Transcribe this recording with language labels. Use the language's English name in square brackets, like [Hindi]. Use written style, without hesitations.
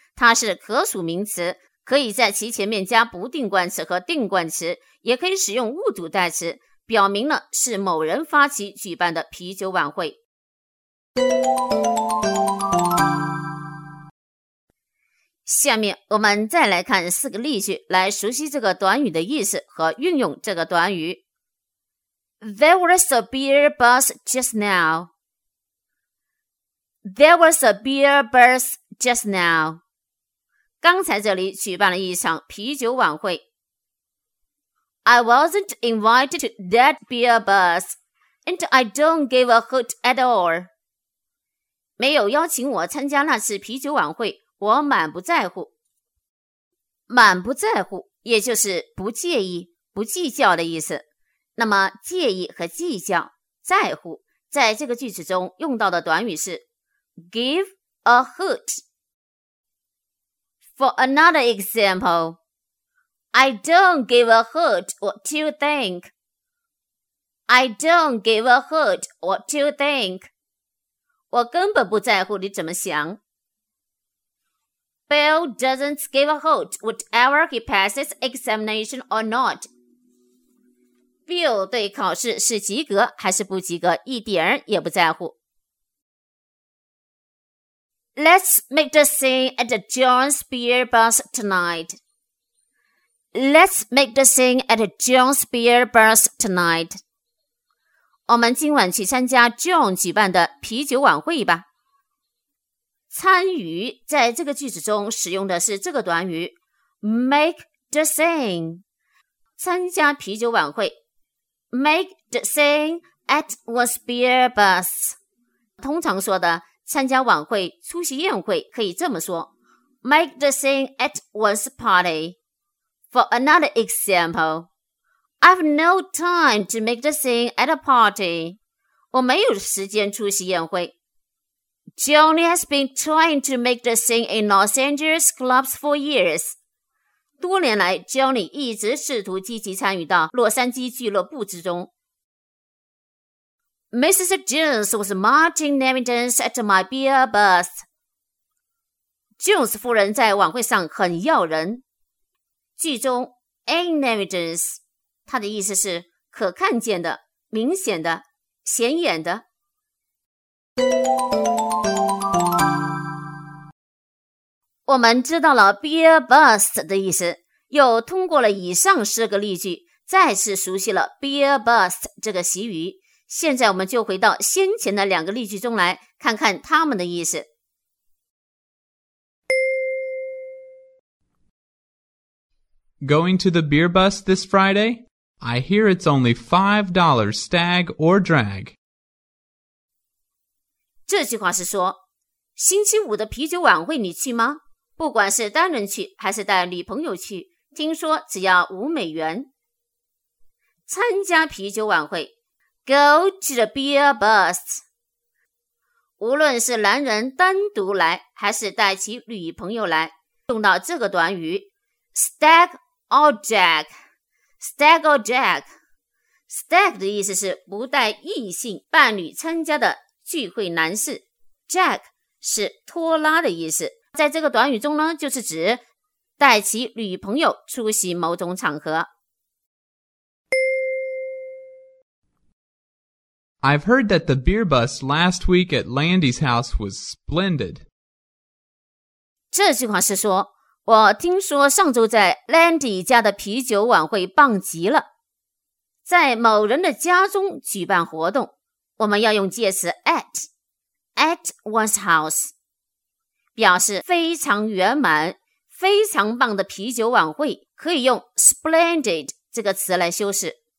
[Chinese] 它是可数名词，可以在其前面加不定冠词和定冠词，也可以使用物主代词，表明了是某人发起举办的啤酒晚会。下面我们再来看四个例句，来熟悉这个短语的意思和运用这个短语。 [English] There was a beer bus just now. There was a beer bus just now. [Chinese] 刚才这里举办了一场啤酒晚会。 [English] I wasn't invited to that beer bus, and I don't give a hoot at all. [Chinese] 没有邀请我参加那次啤酒晚会。我满不在乎，满不在乎，也就是不介意、不计较的意思。那么，介意和计较、在乎，在这个句子中用到的短语是 give a hoot. [English] For another example, I don't give a hoot what you think. I don't give a hoot what you think. [Chinese] 我根本不在乎你怎么想。 [English] Bill doesn't give a hoot whatever he passes examination or not. [Chinese] Bill 对考试是及格还是不及格一点也不在乎。 [English] Let's make the scene at the John's beer bus tonight. Let's make the scene at the John's beer bus tonight. [Chinese] 我们今晚去参加 John 举办的啤酒晚会吧。参与在这个句子中使用的是这个短语 make the scene，参加啤酒晚会 [English] make the scene at one's beer bus。 [Chinese] 通常说的参加晚会、出席宴会可以这么说 [English] make the scene at one's party。 For another example, I've no time to make the scene at a party. [Chinese] 我没有时间出席宴会。 [English] Johnny has been trying to make the scene in Los Angeles clubs for years. [Chinese] 多年来 ,Johnny 一直试图积极参与到洛杉矶俱乐部之中。 [English] Mrs. Jones was marching in evidence at my beer bus. [Chinese] Jones 夫人在晚会上很耀人。剧中 in evidence, 它的意思是可看见的、明显的、显眼的。我们知道了 beer bus 的意思，又通过了以上四个例句再次熟悉了 beer bus 这个习语，现在我们就回到先前的两个例句中来看看他们的意思。 [English] Going to the beer bus this Friday? I hear it's only $5 stag or drag. [Chinese] 这句话是说，星期五的啤酒晚会你去吗？不管是单人去还是带女朋友去，听说只要$5。 [English] 参加啤酒晚会 ,Go to the beer bus. [Chinese] 无论是男人单独来还是带其女朋友来，用到这个短语 , stag or drag, stag or drag. Stag 的意思是不带异性伴侣参加的聚会男士。 Drag 是拖拉的意思。在这个短语中呢，就是指带其女朋友出席某种场合。 [English] I've heard that the beer bus last week at Landy's house was splendid. [Chinese] 这句话是说，我听说上周在 Landy 家的啤酒晚会棒极了。在某人的家中举办活动，我们要用介词 at one's house, 表示非常圆满、非常棒的啤酒晚会，可以用 splendid 这个词来修饰。